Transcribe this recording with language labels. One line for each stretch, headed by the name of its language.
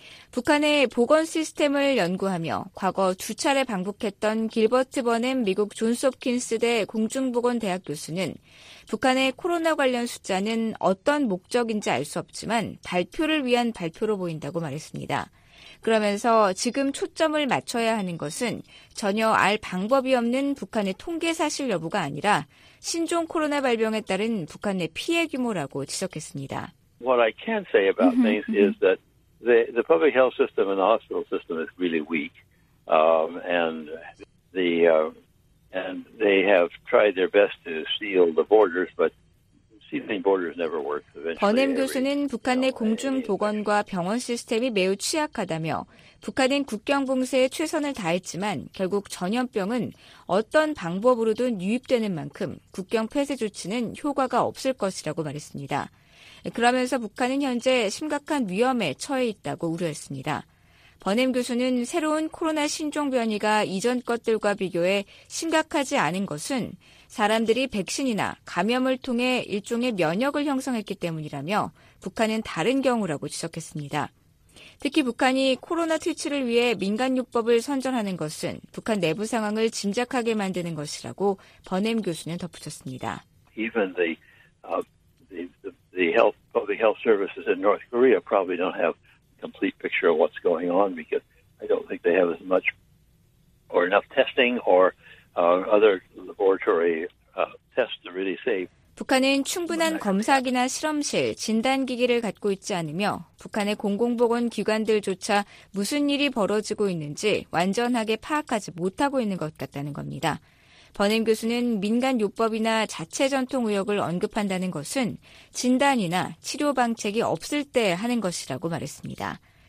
Korean: 북한의 보건 시스템을 연구하며 과거 두 차례 방북했던 길버트 버넴 미국 존스홉킨스 대 공중보건대학 교수는 북한의 코로나 관련 숫자는 어떤 목적인지 알 수 없지만 발표를 위한 발표로 보인다고 말했습니다. 그러면서 지금 초점을 맞춰야 하는 것은 전혀 알 방법이 없는 북한의 통계 사실 여부가 아니라 신종 코로나 발병에 따른 북한의 피해 규모라고 지적했습니다.
English: What I can say about things is that the public health system and the hospital system is really weak. And they have tried their best to seal the borders, but
Korean: 버넴 교수는 북한 내 공중보건과 병원 시스템이 매우 취약하다며 북한은 국경 봉쇄에 최선을 다했지만 결국 전염병은 어떤 방법으로든 유입되는 만큼 국경 폐쇄 조치는 효과가 없을 것이라고 말했습니다. 그러면서 북한은 현재 심각한 위험에 처해 있다고 우려했습니다. 버넴 교수는 새로운 코로나 신종 변이가 이전 것들과 비교해 심각하지 않은 것은 사람들이 백신이나 감염을 통해 일종의 면역을 형성했기 때문이라며 북한은 다른 경우라고 지적했습니다. 특히 북한이 코로나 퇴치를 위해 민간요법을 선전하는 것은 북한 내부 상황을 짐작하게 만드는 것이라고 버넴 교수는 덧붙였습니다.
English: Even the health, public health services in North Korea probably don't have complete picture of what's going on, because I don't think they have as much or enough testing or other laboratory tests to really say.
Korean: 북한은 충분한 검사기나 실험실, 진단기기를 갖고 있지 않으며 북한의 공공보건 기관들조차 무슨 일이 벌어지고 있는지 완전하게 파악하지 못하고 있는 것 같다는 겁니다. 버넴 교수는 민간 요법이나 자체 전통 의혹을 언급한다는 것은 진단이나 치료 방책이 없을 때 하는 것이라고 말했습니다.